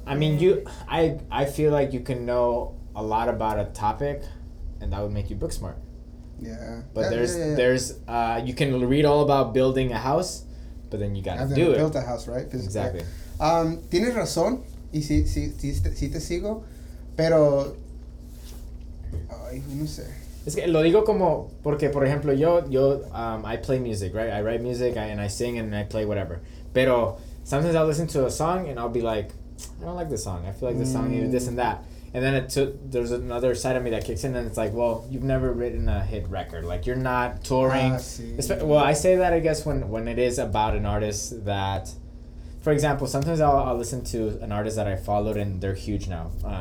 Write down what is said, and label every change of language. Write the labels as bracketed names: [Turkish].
[English] I mean, I feel like you can know a lot about a topic, and that would make you book smart. Yeah. But yeah, there's you can read all about building a house, but then you gotta do it. Built a house, right? Physically. Exactly. [Spanish] Tienes razón, y sí te sigo, pero... Ay, no sé. Es que lo digo como porque, por ejemplo, [English] I play music, right? I write music and I sing and I play whatever. Pero sometimes I'll listen to a song and I'll be like, I don't like this song. I feel like this song needed this and that. And then there's another side of me that kicks in and it's like, well, you've never written a hit record. Like, you're not touring. Well, I say that, I guess, when it is about an artist that, for example, sometimes I'll listen to an artist that I followed and they're huge now.